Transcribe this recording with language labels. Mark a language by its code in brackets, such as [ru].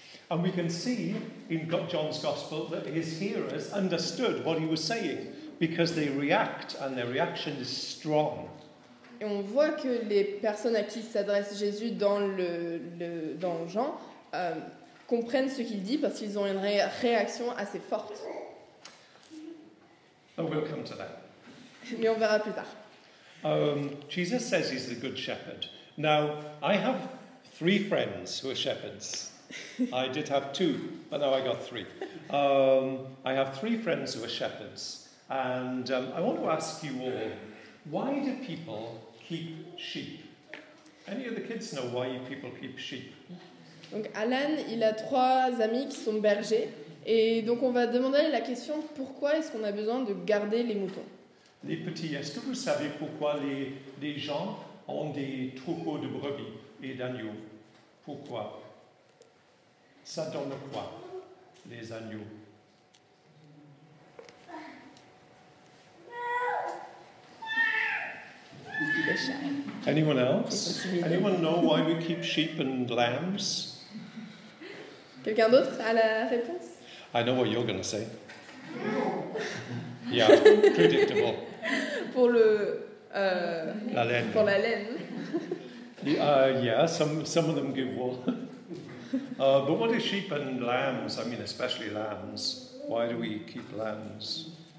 [en] And we can see in John's gospel that his hearers understood what he was saying because they react and their reaction is strong. [fr] Et on voit que les personnes à qui s'adresse Jésus dans dans Jean comprennent ce qu'il dit parce qu'ils ont une réaction assez forte. [en] And we'll come to that. [fr] Mais on verra plus tard. [en] Jesus says he's the good shepherd. Now, I have three friends who are shepherds. I did have two, but now I got three. I have three friends who are shepherds. And I want to ask you all, why do people keep sheep? Any of the kids know why people keep sheep? [fr] Donc Alan, il a trois amis qui sont bergers. Et donc on va demander la question, pourquoi est-ce qu'on a besoin de garder les moutons? Les petits, est-ce que vous savez pourquoi les gens ont des troupeaux de brebis et d'agneaux? Pourquoi? Ça donne quoi, les agneaux? [en] Anyone else? Anyone know why we keep sheep and lambs? [fr] Quelqu'un d'autre a la réponse? I know what you're going to say. Yeah, predictable. Pour le la laine. Pour la laine. [en] Yeah, some of them give wool. But what is sheep and lambs? I mean, especially lambs. Why do we keep lambs?